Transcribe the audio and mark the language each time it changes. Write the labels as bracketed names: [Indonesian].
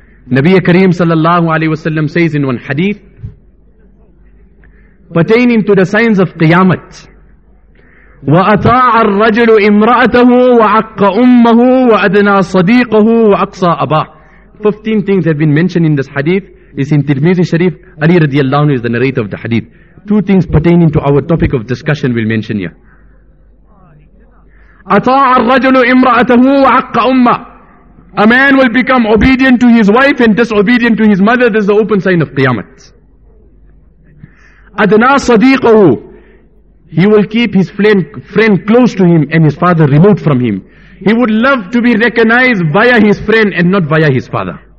[English] Nabi Kareem sallallahu alayhi wasallam says in one hadith, pertaining to the signs of Qiyamah, [Arabic] وَأَطَاعَ الرَّجُلُ إِمْرَأَتَهُ وَعَقَّ أُمَّهُ وَأَدْنَى صَدِيقَهُ وَأَقْصَى أَبَاهُ. [English] 15 things have been mentioned in this hadith. It's in Tirmidhi Sharif. Ali radiallahu anhu is the narrator of the hadith. Two things pertaining to our topic of discussion we'll mention here. [Arabic] أَطَاعَ الرَّجُلُ إِمْرَأَتَهُ وَعَقَّ أُمَّهُ. [English] A man will become obedient to his wife and disobedient to his mother. This is the open sign of Qiyamah. [Arabic] أَدْنَى صَدِيقَهُ. [English] He will keep his friend close to him and his father remote from him. He would love to be recognized via his friend and not via his father.